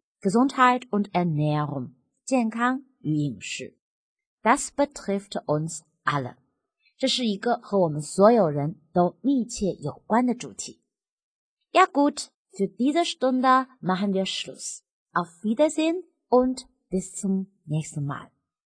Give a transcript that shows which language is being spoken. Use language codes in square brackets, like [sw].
[de] Gesundheit und Ernährung, [zh] 健康与饮食。 [de] Das betrifft uns alle. [zh] 这是一个和我们所有人都密切有关的主题。 [de] Ja gut, für diese Stunde machen wir Schluss. Auf Wiedersehen und bis zum nächsten Mal.